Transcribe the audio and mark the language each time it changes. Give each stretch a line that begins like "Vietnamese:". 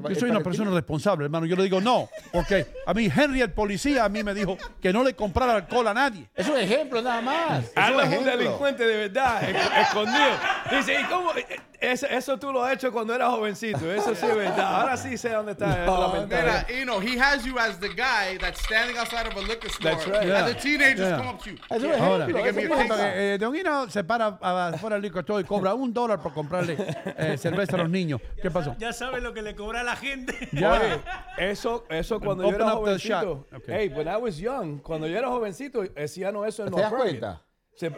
Spanish: Yo soy una persona responsable, hermano. Yo le digo no, porque a mí Henry, el policía, a mí me dijo que no le comprara alcohol a nadie. Es un ejemplo nada más. Habla un delincuente de verdad, escondido. Dice, ¿y cómo? Eso tú lo has hecho cuando eras jovencito. Eso sí es verdad. Ahora sí sé dónde está. No, la
English: mira, you know, he has you as the guy that's standing outside of a liquor store. That's right. Yeah. And the teenagers come up to you.
Spanish: Ahora, Don Hino se para afuera del liquor store y cobra $1 por comprarle cerveza a los niños. ¿Qué pasó? Ya sabe lo que le cobra a la gente. Oye, eso cuando open yo era jovencito. Okay.
English: Hey, when I was young,
Spanish: cuando yo era jovencito, decían eso en North Bergen. ¿Te das cuenta?